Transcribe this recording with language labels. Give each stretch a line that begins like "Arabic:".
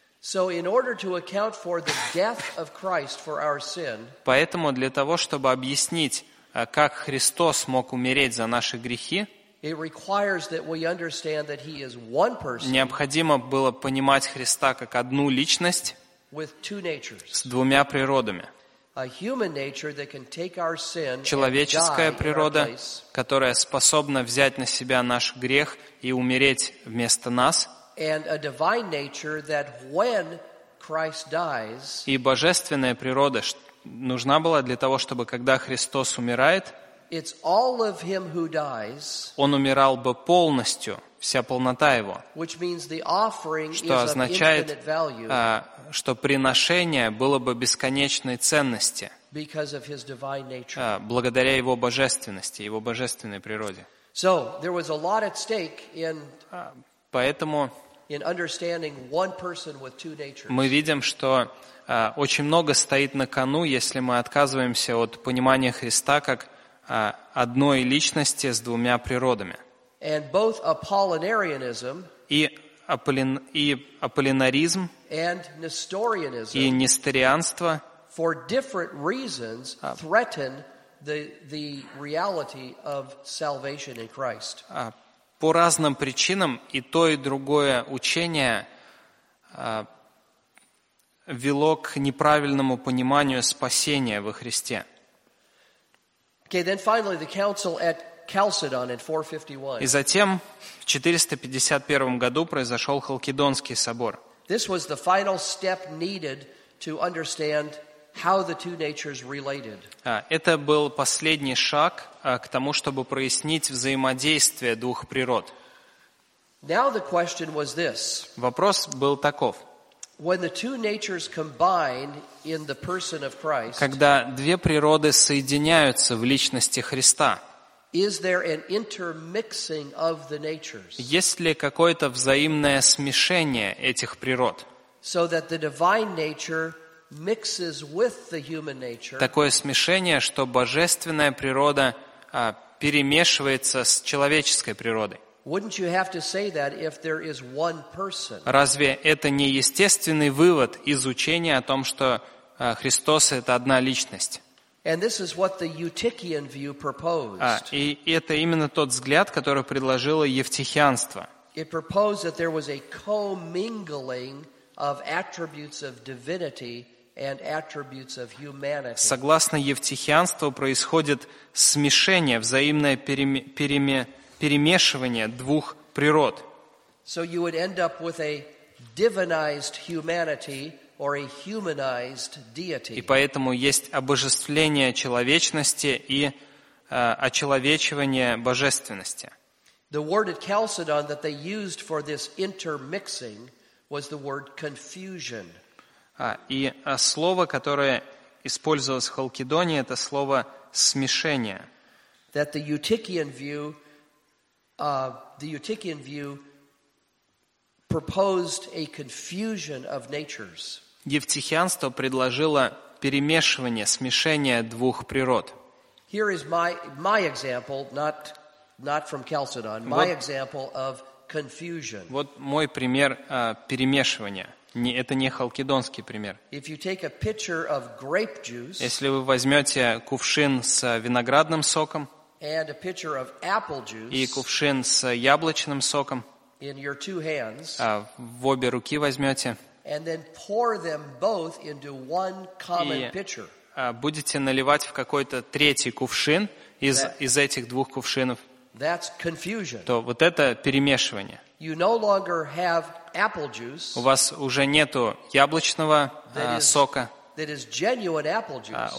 English: So in order to account for the death of Christ for our sin.
Russian: Поэтому для того, чтобы объяснить, как Христос мог умереть за наши грехи.
English: It requires that we understand that he is one person.
Russian: Необходимо было понимать Христа как одну личность.
English: With two natures.
Russian: С двумя природами.
English: A human nature that can take our sin.
Russian: Человеческая природа,
English: in our place,
Russian: которая способна взять на себя наш грех и умереть вместо нас.
English: And a divine nature that when Christ dies.
Russian: И божественная природа нужна была для того, чтобы когда Христос умирает.
English: It's all of him who dies.
Russian: Он умирал бы полностью, вся полнота его.
English: Which means the offering
Russian: что
English: is
Russian: означает,
English: of infinite value.
Russian: Что приношение было бы бесконечной ценности.
English: Because of his divine nature.
Russian: Благодаря его божественности, его божественной природе.
English: So there was a lot at stake in.
Russian: Поэтому.
English: In understanding one person with two natures.
Russian: Мы видим, что очень много стоит на кону, если мы отказываемся от понимания Христа как одной личности с двумя природами.
English: And both Apollinarianism
Russian: и аполлинаризм
English: and Nestorianism
Russian: и несторианство
English: for different reasons threaten the reality of salvation in Christ.
Russian: По разным причинам и то, и другое учение вело к неправильному пониманию спасения во Христе.
English: Okay, then finally the council at Chalcedon in 451.
Russian: И затем в 451 году произошел Халкидонский собор.
English: This was the final step needed to understand how the two natures related.
Russian: Это был последний шаг к тому, чтобы прояснить взаимодействие двух природ.
English: Now the question was this.
Russian: Вопрос был таков.
English: When the two natures combine in the person of Christ.
Russian: Когда две природы соединяются в личности Христа.
English: Is there an intermixing of the natures?
Russian: Есть ли какое-то взаимное смешение этих природ?
English: So that the divine nature mixes with the human nature.
Russian: Такое смешение, что божественная природа перемешивается с человеческой природой.
English: Wouldn't you have to say that if there is one person?
Russian: Разве это не естественный вывод из учения о том, что Христос — это одна личность?
English: And this is what the Eutychian view proposed.
Russian: И это именно тот взгляд, который предложило евтихианство.
English: It proposed that there was a commingling of attributes of divinity and attributes of humanity.
Russian: Согласно евтихианству, происходит смешение, взаимное перемешивание двух природ.
English: So you would end up with a divinized humanity or a humanized deity.
Russian: И поэтому есть обожествление человечности и очеловечивание божественности.
English: The word at Chalcedon that they used for this intermixing was the word confusion.
Russian: И слово, которое использовалось в Халкидоне, это слово смешение.
English: That the Eutychian view proposed a confusion of natures.
Russian: Евтихианство предложило перемешивание, смешение двух природ.
English: Here is my example, not from Chalcedon, my example of confusion.
Russian: Вот мой пример перемешивания. Это не халкидонский пример.
English: If you take a pitcher of grape juice,
Russian: если вы возьмете кувшин с виноградным соком,
English: and a pitcher of apple juice,
Russian: и кувшин с яблочным соком,
English: in your two hands,
Russian: в обе руки возьмете,
English: and then pour them both into one common pitcher,
Russian: и будете наливать в какой-то третий кувшин из этих двух кувшинов,
English: that's confusion.
Russian: То вот это перемешивание.
English: You no longer have apple juice.
Russian: У вас уже нету яблочного сока.
English: That is genuine apple juice.